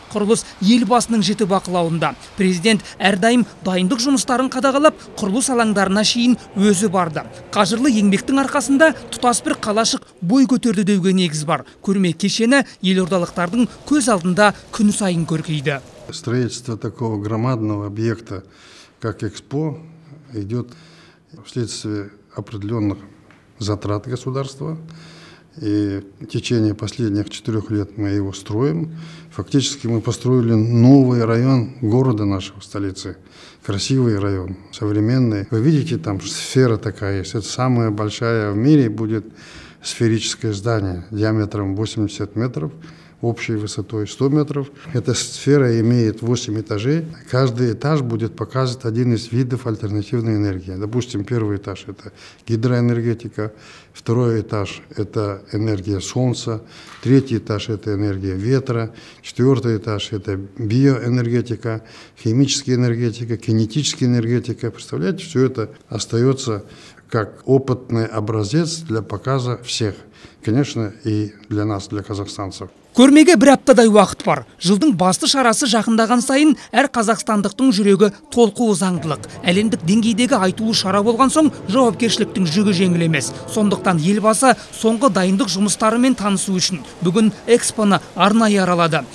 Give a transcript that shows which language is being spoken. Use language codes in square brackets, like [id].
[kk] Құрылыс елбасының жіті бақылауында. Президент әрдайым дайындық жұмыстарын қадағалап, құрылыс алаңдарына шейін өзі барды. Қажырлы еңбектің арқасында тұтас бір қалашық бой көтерді деуге негіз бар. Көрме кешені елордалықтардың көз алдында күн сайын көркейді. [ru] Строительство такого громадного объекта, как Экспо, идет вследствие определенных затрат государства. И в течение последних 4 лет мы его строим. Фактически мы построили новый район города нашего, столицы. Красивый район, современный. Вы видите, там сфера такая есть. Это самое большое в мире будет сферическое здание диаметром 80 метров, общей высотой 100 метров. Эта сфера имеет 8 этажей. Каждый этаж будет показывать один из видов альтернативной энергии. Допустим, первый этаж – это гидроэнергетика, второй этаж – это энергия солнца, третий этаж – это энергия ветра, четвертый этаж – это биоэнергетика, химическая энергетика, кинетическая энергетика. Представляете, все это остается как опытный образец для показа всех. Конечно, и для нас, для казахстанцев. [kk] Көрмеге бір аптадай уақыт бар. Жылдың басты шарасы жақындаған сайын әр қазақстандықтың жүрегі толқуы заңдылық. Әлемдік деңгейдегі айтулы шара болған соң жауапкершіліктің жүгі жеңіл емес. Сондықтан елбасы соңғы дайындық жұмыстарымен танысу үшін бүгін экспоны арнайы аралады.